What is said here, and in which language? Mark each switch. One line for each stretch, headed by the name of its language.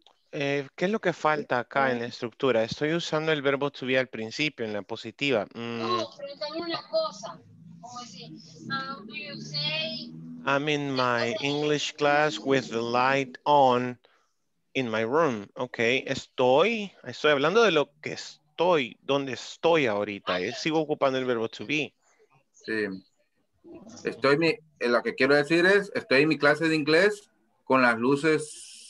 Spanish: ¿Qué es lo que falta acá en la estructura? Estoy usando el verbo to be al principio, en la positiva. No, pero tengo una cosa. Como decir,
English: how do you say... I'm in my English class with the light on in my room.
Spanish: Ok, estoy hablando de lo que estoy, donde estoy ahorita. Sigo ocupando el verbo to be. Sí. Lo que quiero decir es, estoy en mi clase de inglés con las luces...